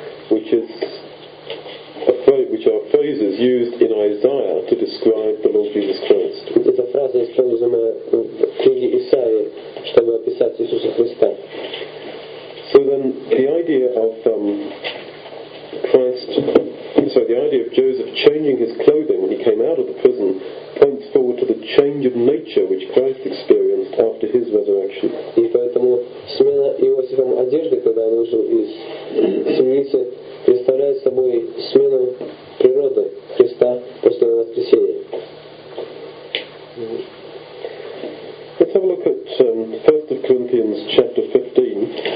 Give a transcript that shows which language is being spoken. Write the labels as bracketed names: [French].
[English] Which is which are phrases used in Isaiah to describe the Lord Jesus Christ. [Russian] Эта фраза использована в книге Исаии, чтобы описать Иисуса Христа. [English] So then the idea of the idea of Joseph changing his clothing when he came out of the prison points forward to the change of nature which Christ experienced after his resurrection. [Russian] И поэтому смена Иосифом одежды, когда он вышел из темницы, представляет собой смену природы Христа после воскресения. [English] Let's have a look at 1 Corinthians chapter 15.